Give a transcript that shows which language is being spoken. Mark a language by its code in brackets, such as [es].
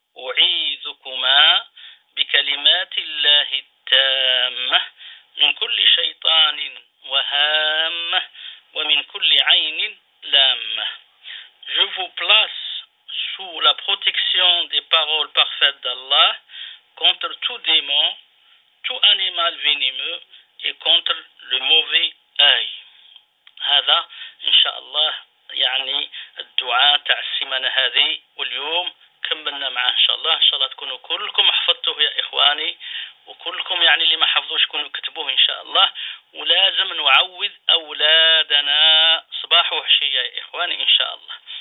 [ar] أعيذكما بكلمات الله التامة من كل شيطان وهامة ومن كل عين لامة. [fr] Je vous place sous la protection des paroles parfaites d'Allah contre tout démon, tout animal venimeux et contre le mauvais œil. [ar] هذا إن شاء الله يعني الدعاء تاع السيمانة هذه، واليوم كملنا معه إن شاء الله. إن شاء الله تكونوا كلكم حفظتوه يا إخواني، وكلكم يعني اللي ما حفظوش كونوا كتبوه إن شاء الله. ولازم نعوذ أولادنا صباح وعشية يا إخواني إن شاء الله.